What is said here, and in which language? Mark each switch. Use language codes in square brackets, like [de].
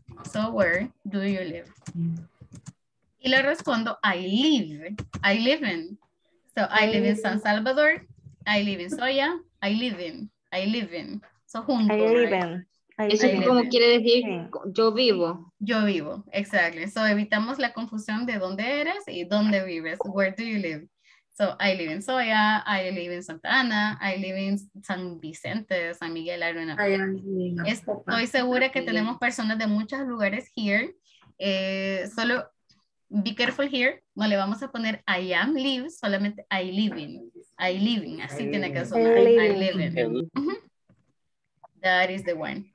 [en] So where do you live? [es] Y le respondo, [en] I live in. So I live in San Salvador, I live in Soya, I live in. So juntos. I live in. [es] Eso es como quiere decir yo vivo. Yo vivo, exactly. So evitamos la confusión de dónde eres y dónde vives. [en] Where do you live? So I live in Soya, I live in Santa Ana, I live in San Vicente, San Miguel, I don't know. [es] Estoy segura que tenemos personas de muchos lugares [en] here. Solo be careful here, [es] no le vamos a poner [en] I am live, solamente I live in, [es] así tiene que sonar, [en] I live in. That is the one.